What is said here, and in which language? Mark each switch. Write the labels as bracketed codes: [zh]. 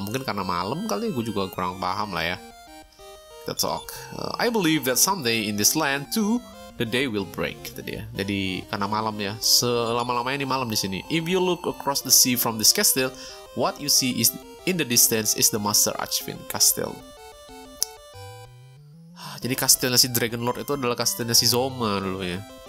[id] Mungkin karena malam kali ya, gue juga kurang paham lah ya. Kita talk. [en] I believe that someday in this land too, the day will break, [id] tadi ya. Jadi karena malam ya, selama-lamanya ini malam di sini. [en] If you look across the sea from this castle, what you see is in the distance is the Master Archvin Castle. [id] Jadi kastilnya si Dragon Lord itu adalah kastilnya si Zoma dulu ya.